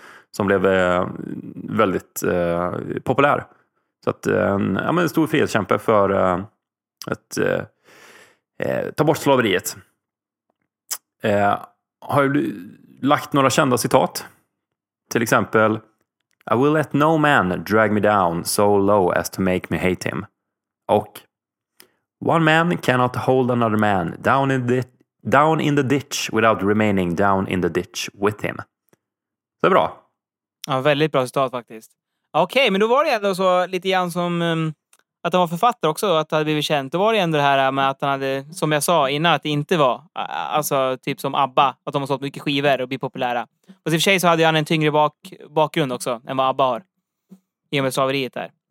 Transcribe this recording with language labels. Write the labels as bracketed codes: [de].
[sv] Som blev väldigt populär. Så att en stor frihetskämpe för att ta bort slaveriet. Har du lagt några kända citat? Till exempel... [en] I will let no man drag me down so low as to make me hate him. [sv] Och [en] one man cannot hold another man down in the ditch without remaining down in the ditch with him. [sv] Så bra. Ja, väldigt bra citat faktiskt. Okej, okay, men då var det ändå så lite grann som att han var författare också, att han hade blivit känd. Det var ju ändå det här med att han hade, som jag sa innan, att det inte var, alltså typ som ABBA, att de har sålt mycket skivor och blivit populära. Och i och för sig så hade han en tyngre bakgrund också än vad ABBA har, i och med slaveriet där.